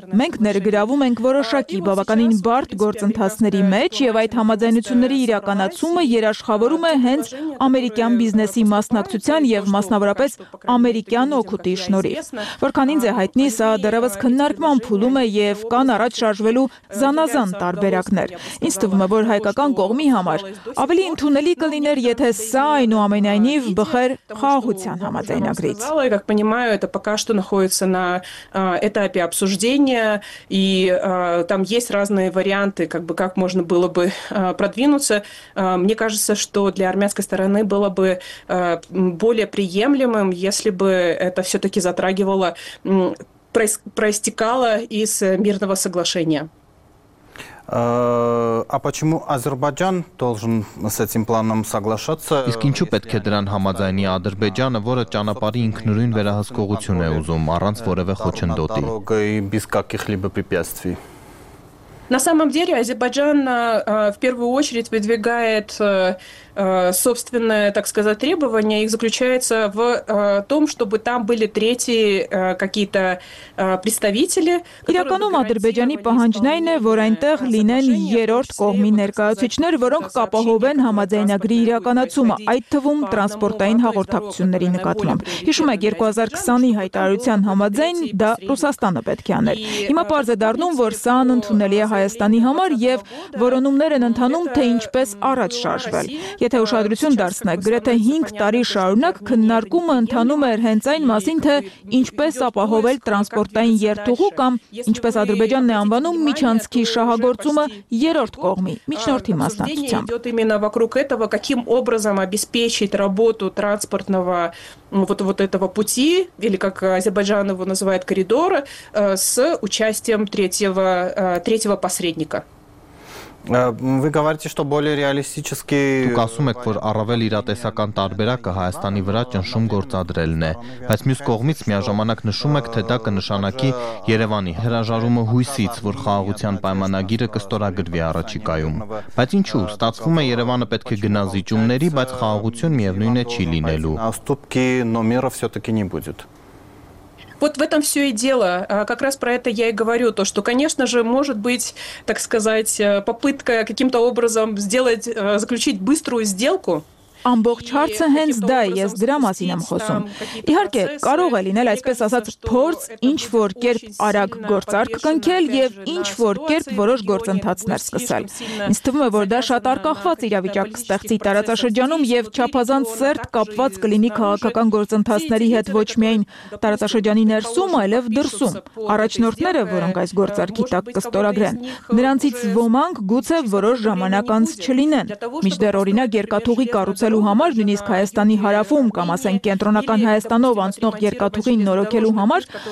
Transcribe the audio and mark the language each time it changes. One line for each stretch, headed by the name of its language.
Armenian: մենք ներգրավում ենք որոշակի բավականին բարդ գործընթացների մեջ, եւ այդ համաձայնությունների իրականացումը երաշխավորում է հենց ամերիկյան բիզնեսի մասնակցության եւ մասնավորապես ամերիկյան օգուտի շնորհիվ։ Որքան ինձ է հայտնի, սա դեռևս քննարկման փուլում է եւ կան առաջ շարժվելու զանազան տարբերակներ։ Ինձ թվում է, որ հայկական կողմի համար ավելի ընդունելի կլիներ, եթե սա այնուամենայնիվ բխեր խաղաղության համաձայնագրից։ Ես կարծում եմ,
Russian: понимаю, это пока что находится на этапе обсуждения, и там есть разные варианты, как бы как можно было бы продвинуться. Мне кажется, что для армянской стороны было бы более приемлемым, если бы это все-таки затрагивало, проистекало из мирного соглашения. А почему Азербайджан должен с этим планом соглашаться?
Armenian: Իսկ ինչու պետք է դրան համաձայնի Ադրբեջանը, որը ճանապարհի ինքնուրույն վերահսկողություն է ուզում, առանց որևէ խոչընդոտի?
Russian: На самом деле Азербайджан в первую очередь выдвигает собственное, так сказать, требование. Их заключается в том, чтобы там были третьи какие-то представители.
Armenian: Իրականում Ադրբեջանի պահանջն այն է, որ այնտեղ լինեն երրորդ կողմի ներկայացուցիչներ, որոնք կապահովեն համաձայնագրի իրականացումը, այդ թվում տրանսպորտային հաղորդակցությունների նկատմամբ։ Հիշում եք 2020-ի հայտարարության համաձայն դա Ռուսաստանը պետք է աներ։ Հիմա պարզ է դառնում, որ սա անընդունելի է Հայաստանի համար եւ որոնումներ են ընդանում, թե ինչպես առաջ շարժվել։ Եթե ուշադրություն դարձնեք, գրեթե 5 տարի շարունակ քննարկումը ընթանում էր հենց այն մասին, թե ինչպես ապահովել տրանսպորտային երթուղու կամ ինչպես Ադրբեջանն է անվանում միջանցքի շահագործումը երրորդ կողմի միջնորդի մասնակցությամբ։ Դա ի՞նչ է
Russian: վокруг этого, каким образом обеспечить работу транспортного вот этого пути, или как Азербайджан его называет, коридора, с участием третьего посредника. Вы говорите, что более реалистически
Armenian: Դուք ասում եք, որ առավել իրատեսական տարբերակը Հայաստանի վրա ճնշում գործադրելն է, բայց մյուս կողմից միաժամանակ նշում եք, թե դա կնշանակի Երևանի հրաժարումը հույսից, որ խաղաղության պայմանագիրը կստորագրվի առաջիկայում։ Բայց ինչու՞, ստացվում է Երևանը պետք է գնա զիջումների, բայց խաղաղություն միևնույն է չի լինելու։
Russian: Вот в этом все и дело. Как раз про это я и говорю, то, что, конечно же, может быть, так сказать, попытка каким-то образом заключить быструю сделку.
Armenian: Ամբողջ հարցը հենց դա է, ես դրա մասին եմ խոսում։ Իհարկե, կարող է լինել, այսպես ասած, փորձ ինչ որ կերպ արագ գործարք կնքել եւ ինչ որ կերպ որոշ գործընթացներ սկսել։ Ինձ թվում է, որ դա շատ արկախված իրավիճակ կստեղծի տարածաշրջանում եւ չափազանց սերտ կապված կլինի քաղաքական գործընթացների հետ ոչ միայն տարածաշրջանի ներսում, այլեւ դրսում։ Առաջնորդները, որոնք այս գործարքի տակ կստորագրեն, նրանցից ոմանք գուցե որոշ ժամանակ անց չլինեն։ Միջդեռ օրինակ երկաթուղի ցելու համար նույնիսկ Հայաստանի հարավում կամ ասենք կենտրոնական Հայաստանով անցնող երկաթուղին նորոգելու համար